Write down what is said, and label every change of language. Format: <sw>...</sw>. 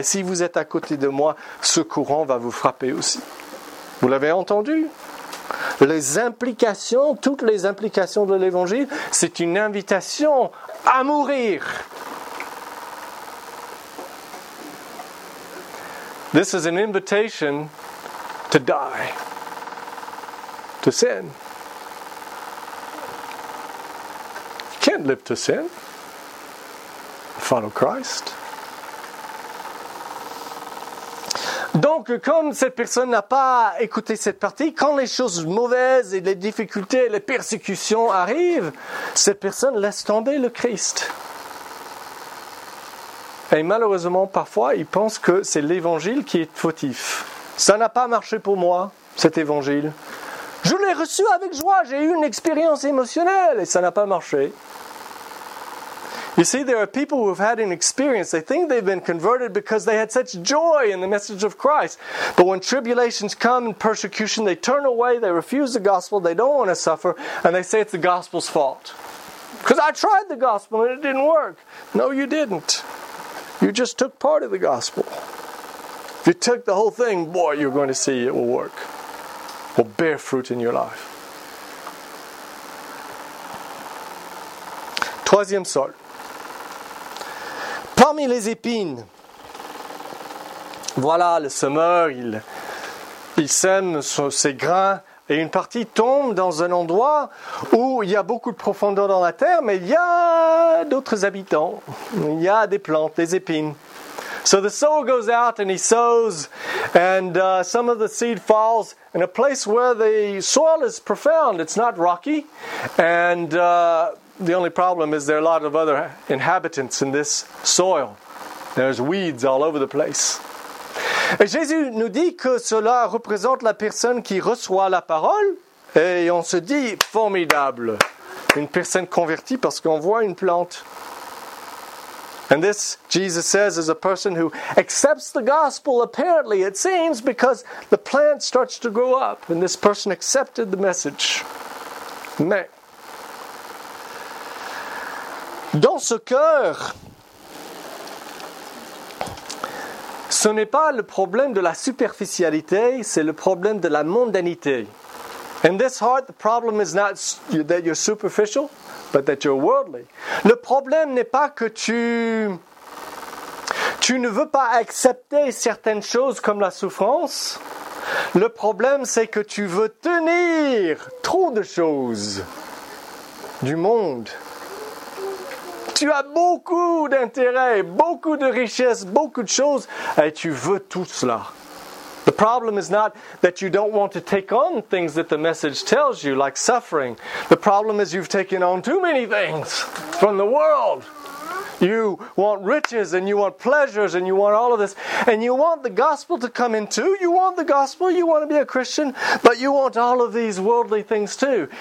<fr>Et si vous êtes à côté de moi, ce courant va vous frapper aussi. Vous l'avez entendu? Les implications, toutes les implications de l'Évangile, c'est une invitation à mourir.</fr> <en>This is an invitation to die, to sin. You can't live to sin. Follow Christ.</en> <fr>Donc, comme cette personne n'a pas écouté cette partie, quand les choses mauvaises et les difficultés et les persécutions arrivent, cette personne laisse tomber le Christ. Et malheureusement, parfois, il pense que c'est l'évangile qui est fautif. Ça n'a pas marché pour moi, cet évangile. Je l'ai reçu avec joie, j'ai eu une expérience émotionnelle et ça n'a pas marché.</fr> <en>You see, there are people who have had an experience. They think they've been converted because they had such joy in the message of Christ. But when tribulations come and persecution, they turn away, they refuse the gospel, they don't want to suffer, and they say it's the gospel's fault. Because I tried the gospel and it didn't work. No, you didn't. You just took part of the gospel. If you took the whole thing, boy, you're going to see it will work. It will bear fruit in your life.</en> <fr>Troisième sort. Parmi les épines, voilà le semeur, il sème ses grains et une partie tombe dans un endroit où il y a beaucoup de profondeur dans la terre, mais il y a d'autres habitants, il y a des plantes, des épines.</fr> <en>So the sower goes out and he sows and some of the seed falls in a place where the soil is profound, it's not rocky and... The only problem is there are a lot of other inhabitants in this soil. There's weeds all over the place.</en> <fr>Et Jésus nous dit que cela représente la personne qui reçoit la parole. Et on se dit, formidable, une personne convertie parce qu'on voit une plante.</fr> <en>And this, Jesus says, is a person who accepts the gospel, apparently, it seems, because the plant starts to grow up. And this person accepted the message.</en> <fr>Mais... Dans ce cœur, ce n'est pas le problème de la superficialité, c'est le problème de la mondanité.</fr> <en>In this heart, the problem is not that you're superficial, but that you're worldly.</en> <fr>Le problème n'est pas que tu ne veux pas accepter certaines choses comme la souffrance. Le problème, c'est que tu veux tenir trop de choses du monde. Tu as beaucoup d'intérêts, beaucoup de richesses, beaucoup de choses, et tu veux tout cela.</fr> <en>The problem is not that you don't want to take on things that the message tells you, like suffering. The problem is you've taken on too many things from the world. You want riches and you want pleasures and you want all of this. And you want the gospel to come in too. You want the gospel, you want to be a Christian, but you want all of these worldly things too.</en>